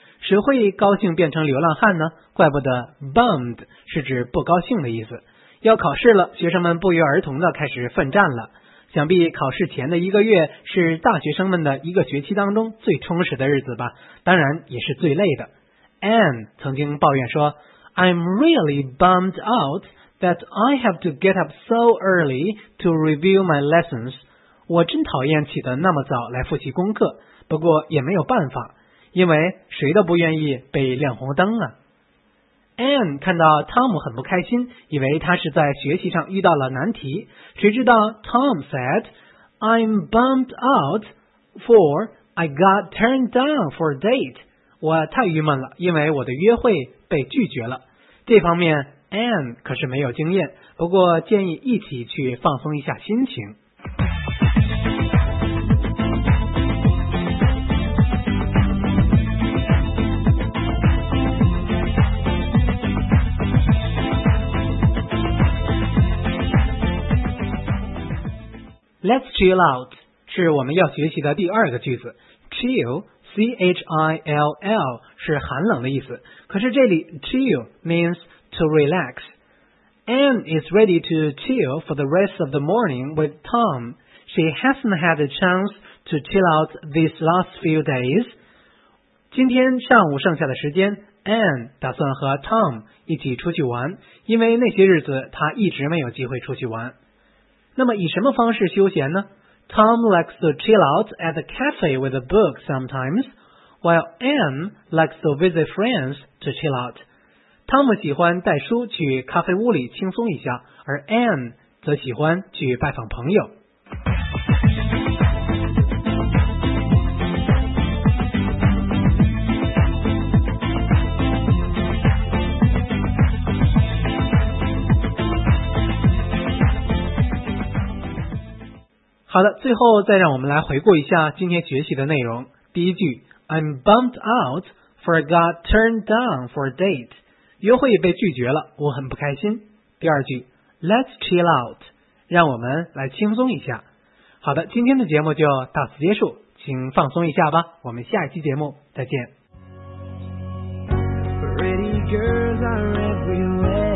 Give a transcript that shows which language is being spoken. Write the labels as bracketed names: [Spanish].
[Chinese] 谁会高兴变成流浪汉呢？怪不得 bummed 是指不高兴的意思。要考试了，学生们不约而同的开始奋战了。想必考试前的一个月是大学生们的一个学期当中最充实的日子吧，当然也是最累的。 [English] Anne [Chinese] 曾经抱怨说， [English] I'm really bummed out that I have to get up so early to review my lessons. [Chinese] 我真讨厌起得那么早来复习功课，不过也没有办法，因为谁都不愿意被亮红灯啊。 Anne 看到 Tom 很不开心，以为他是在学习上遇到了难题，谁知道 Tom [English] said, I'm bummed out for I got turned down for a date. [Chinese] 我太郁闷了，因为我的约会被拒绝了。这方面 Anne 可是没有经验，不过建议一起去放松一下心情。 [English] Let's chill out [Chinese] 是我们要学习的第二个句子。 Chill C-H-I-L-L 是寒冷的意思，可是这里 [English] chill means to relax. Anne is ready to chill for the rest of the morning with Tom. She hasn't had a chance to chill out these last few days. [Chinese] 今天上午剩下的时间， Anne 打算和 Tom 一起出去玩，因为那些日子她一直没有机会出去玩。那么以什么方式休闲呢？ [English] Tom likes to chill out at the cafe with a book sometimes, while Anne likes to visit friends to chill out. [Chinese] Tom 喜欢带书去咖啡屋里轻松一下，而 Anne 则喜欢去拜访朋友。好的，最后再让我们来回顾一下今天学习的内容。第一句 [English] I'm bummed out for I got turned down for a date， [Chinese] 约会被拒绝了，我很不开心。第二句 [English] Let's chill out， [Chinese] 让我们来轻松一下。好的，今天的节目就到此结束，请放松一下吧，我们下一期节目再见。 [English] Pretty girls are everywhere.